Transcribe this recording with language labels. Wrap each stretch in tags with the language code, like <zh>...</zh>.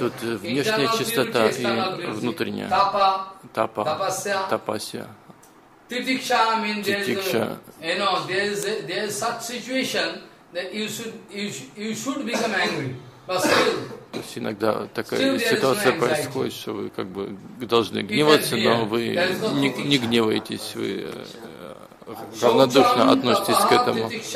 <ru>вот внешняя чистота и внутренняя. Тапа, тапа, тапася. Тапася.</ru> <en>Титикша means there is such situation that you should become angry. But still,</en> <ru>то есть иногда такая ситуация происходит, что вы как бы должны гневаться, но вы не гневаетесь, вы равнодушно относитесь к этому.</ru>